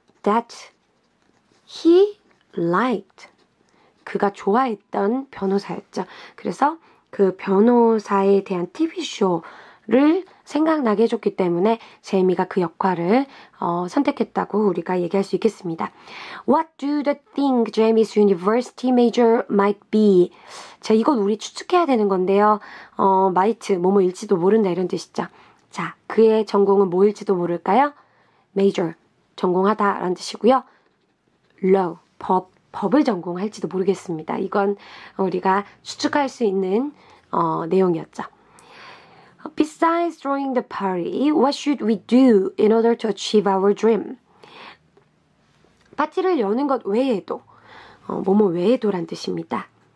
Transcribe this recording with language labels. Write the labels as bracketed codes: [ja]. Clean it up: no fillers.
[en] That he liked. [ko] 그가 좋아했던 변호사였죠. 그래서 그 변호사에 대한 TV쇼를 생각나게 해줬기 때문에 제이미가 그 역할을 선택했다고 우리가 얘기할 수 있겠습니다. [en] What do the think Jamie's university major might be? [ko] 자, 이건 우리 추측해야 되는 건데요. Might, 뭐뭐일지도 모른다 이런 뜻이죠. 자, 그의 전공은 뭐일지도 모를까요? Major, 전공하다라는 뜻이고요. Law, 법. 법을 전공할지도 모르겠습니다. 이건 우리가 추측할 수 있는 내용이었죠. [en] Besides throwing the party, what should we do in order to achieve our dream? [ko] 파티를 여는 것 외에도, 뭐뭐 외에도란 뜻입니다.